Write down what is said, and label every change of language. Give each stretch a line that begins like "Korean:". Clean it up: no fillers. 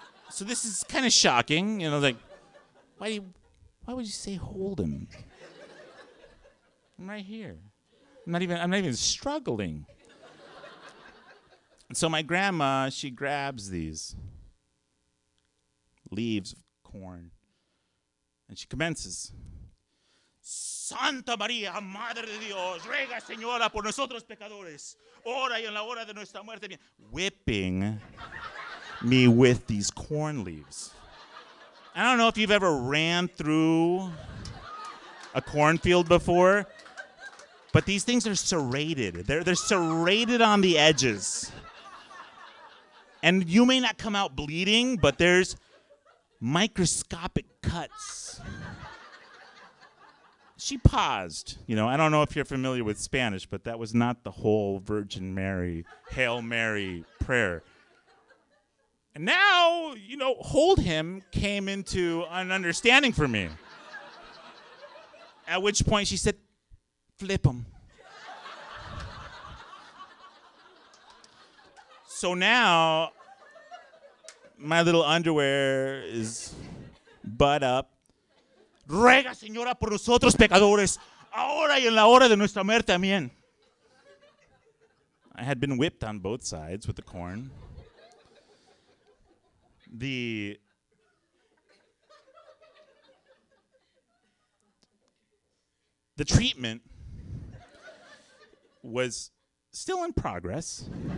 English: So this is kind of shocking. You know, like, why would you say hold him? I'm right here. I'm not even struggling. And so my grandma, she grabs these leaves of corn, and she commences.
Spanish: Santa María, Madre de Dios, ruega, Señora, por nosotros pecadores, ahora y en la hora de nuestra muerte.
English: Whipping me with these corn leaves. I don't know if you've ever ran through a cornfield before, but these things are serrated. They're serrated on the edges. And you may not come out bleeding, but there's microscopic cuts. She paused. You know, I don't know if you're familiar with Spanish, but that was not the whole Virgin Mary, Hail Mary prayer. And now, you know, hold him came into an understanding for me. At which point she said, flip him. So now, my little underwear is butt up.
Spanish: Ruega, señora, por nosotros pecadores, ahora y en la hora de nuestra muerte, amén.
English: I had been whipped on both sides with the corn. The treatment was still in progress.